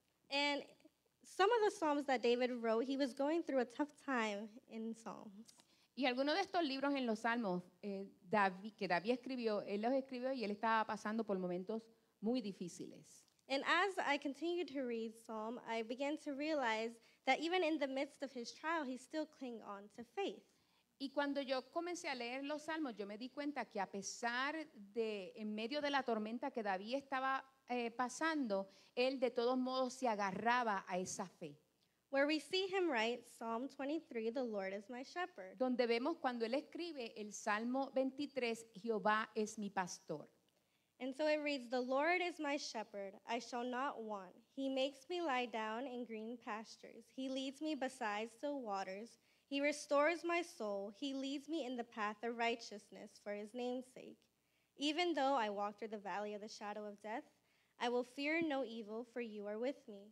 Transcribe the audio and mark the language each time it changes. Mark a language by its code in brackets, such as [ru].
[en] And some of the psalms that David wrote, he was going through a tough time in Psalms. [es] Y algunos de estos libros en los Salmos David escribió, él los escribió y él estaba pasando por momentos muy difíciles. [en] And as I continued to read Psalm, I began to realize that even in the midst of his trial, he still clung on to faith. [es] Y cuando yo comencé a leer los Salmos, yo me di cuenta que a pesar de, en medio de la tormenta que David estaba pasando, él de todos modos se agarraba a esa fe. [en] Where we see him write Psalm 23, the Lord is my shepherd. [es] Donde vemos cuando él escribe el Salmo 23, Jehová es mi pastor. [en] And so it reads, the Lord is my shepherd, I shall not want. He makes me lie down in green pastures. He leads me beside still waters. He restores my soul. He leads me in the path of righteousness for his name's sake. Even though I walk through the valley of the shadow of death, I will fear no evil, for you are with me.